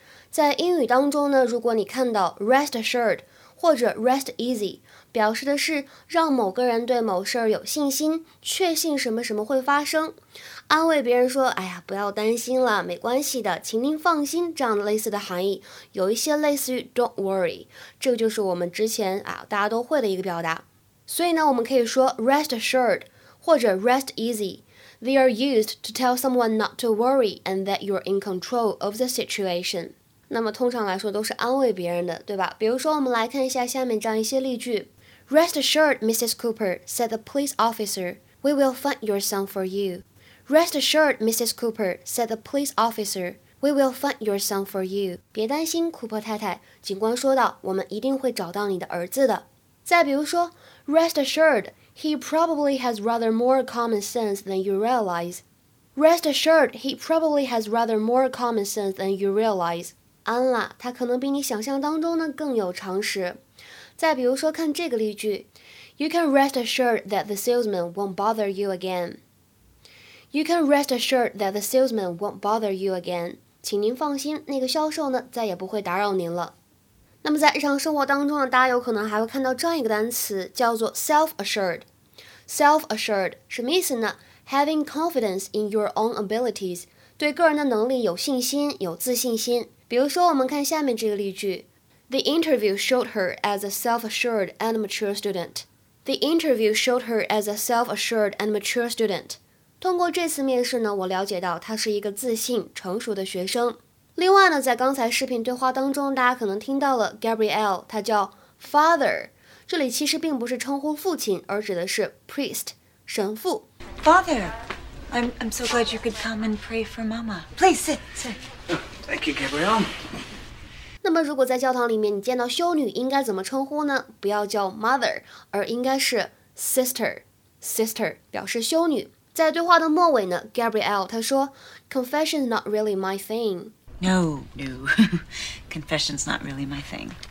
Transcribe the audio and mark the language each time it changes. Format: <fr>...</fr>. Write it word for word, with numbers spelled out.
<zh>在英语当中呢，如果你看到 rest assured 或者 rest easy，表示的是让某个人对某事儿有信心，确信什么什么会发生，安慰别人说哎呀不要担心了，没关系的，请您放心，这样的类似的含义，有一些类似于</zh> <en>don't worry，</en> <zh>这个就是我们之前啊大家都会的一个表达。所以呢，我们可以说</zh> <en>rest assured 或者 rest easy， they are used to tell someone not to worry and that you're in control of the situation。</en> <zh>那么通常来说都是安慰别人的，对吧？比如说我们来看一下下面这样一些例句。</zh> <en>Rest assured, Missus Cooper, said the police officer, we will find your son for you. Rest assured, Missus Cooper, said the police officer, we will find your son for you.</en> <zh>别担心，库珀太太，警官说道，我们一定会找到你的儿子的。再比如说</zh> <en>Rest assured, he probably has rather more common sense than you realize. Rest assured, he probably has rather more common sense than you realize.</en> <zh>安啦，他可能比你想象当中呢更有常识。再比如说看这个例句</zh> <en>You can rest assured that the salesman won't bother you again. You can rest assured that the salesman won't bother you again.</en> <zh>请您放心，那个销售呢再也不会打扰您了。那么在日常生活当中呢，大家有可能还会看到这样一个单词叫做 self-assured.</zh> <en>Self-assured</en> <zh>什么意思呢？</zh> <en>Having confidence in your own abilities.</en> <zh>对个人的能力有信心，有自信心。比如说我们看下面这个例句。</zh> <en>The interview showed her as a self-assured and mature student. The interview showed her as a self-assured and mature student.</en> <zh>通过这次面试呢，我了解到她是一个自信、成熟的学生。另外呢，在刚才视频对话当中，大家可能听到了 Gabrielle， 她叫 Father， 这里其实并不是称呼父亲，而指的是 priest， 神父。</zh> <en>Father, I'm I'm so glad you could come and pray for Mama. Please sit, sit. Oh, thank you, Gabrielle.</en> <zh>那么如果在教堂里面你见到修女，应该怎么称呼呢？不要叫 mother， 而应该是 sister。 Sister 表示修女。在对话的末尾呢， Gabrielle 她说</zh> <en>Confession's not really my thing. No, no. Confession's not really my thing.</en>